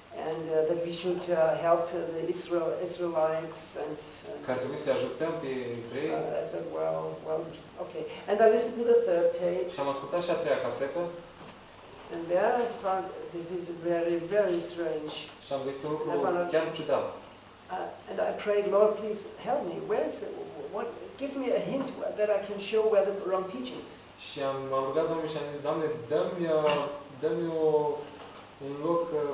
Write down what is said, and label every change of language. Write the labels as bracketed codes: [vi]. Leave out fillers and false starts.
[en] And that we should help the Israelites and [ro] care trebuie să ajutăm pe evrei. [en] I said, well, okay. And I listened to the third tape. [ro] Și am ascultat și a treia casetă. [en] And there I found this is very, very strange. [ro] Și am găsit un lucru chiar ciudat. [en] And I prayed, Lord, please help me. Where is it? What? Give me a hint that I can show where the wrong teaching is. [ro] Și am rugat Domnul și am zis, Doamne, dă-mi un loc.